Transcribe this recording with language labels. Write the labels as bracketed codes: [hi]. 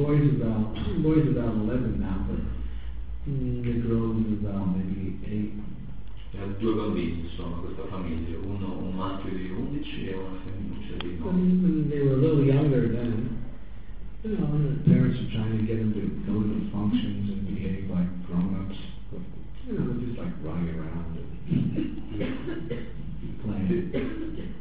[en] The boy's about 11 now, but the girl is about maybe 8. [it] Ha due bambini, insomma, questa famiglia, uno un maschio di 11 e una femminuccia di 9. [en] When they were a little younger then. You know, the parents are trying to get them to go to the functions and behave like grown-ups. You know, just like running around and playing.